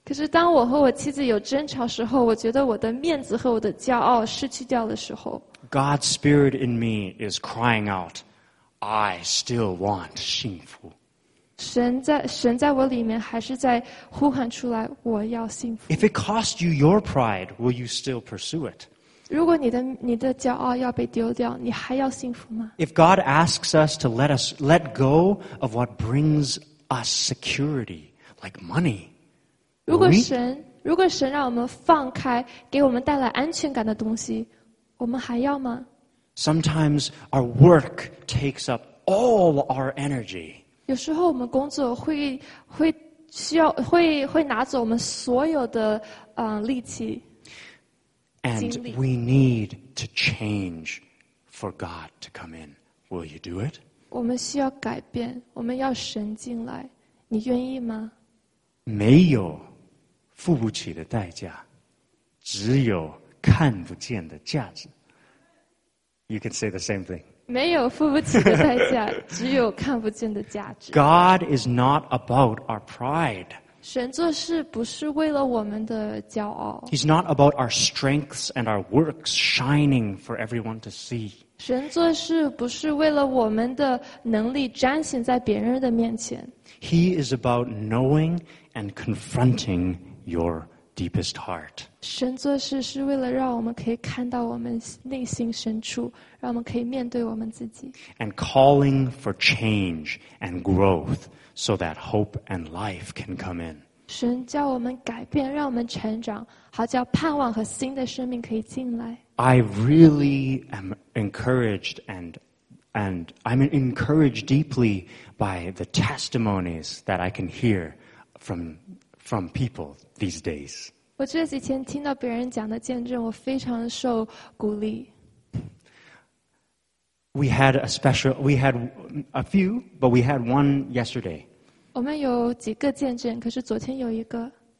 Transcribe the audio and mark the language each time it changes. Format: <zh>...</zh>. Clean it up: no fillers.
<zh>可是当我和我妻子有争吵时候，我觉得我的面子和我的骄傲失去掉的时候。</zh> <en>God's spirit in me is crying out. I still want 幸福。</en> <zh>神在我里面还是在呼喊出来，我要幸福。</zh> <en>If it costs you your pride, will you still pursue it?</en> <zh>如果你的骄傲要被丢掉，你还要幸福吗？</zh> <en>If God asks us to let go of what brings us security, like money,</en> <zh>如果神让我们放开给我们带来安全感的东西，我们还要吗？</zh> <en>Sometimes our work takes up all our energy.</en> <zh>有时候我们工作会需要会拿走我们所有的力气。</zh> <en>And we need to change for God to come in. Will you do it?</en> <zh>我们需要改变，我们要神进来，你愿意吗？没有付不起的代价，只有看不见的价值。</zh> <en>You can say the same thing.</en> <zh>没有付不起的代价，只有看不见的价值。</zh> <en>God is not about our pride.</en> <zh>神做事不是为了我们的骄傲。</zh> <en>He's not about our strengths and our works shining for everyone to see.</en> <zh>神做事不是为了我们的能力彰显在别人的面前。</zh> <en>He is about knowing and confronting your deepest heart.</en> <zh>神做事是为了让我们可以看到我们内心深处，让我们可以面对我们自己。</zh> <en>And calling for change and growth so that hope and life can come in.</en> <zh>神叫我们改变，让我们成长，好叫盼望和新的生命可以进来。</zh> <en>I really am encouraged and I'm encouraged deeply by the testimonies that I can hear from people these days.</en> <zh>我这几天听到别人讲的见证，我非常受鼓励。</zh> <en>We had a few, but we had one yesterday.</en> <zh>我们有几个见证，可是昨天有一个。</zh>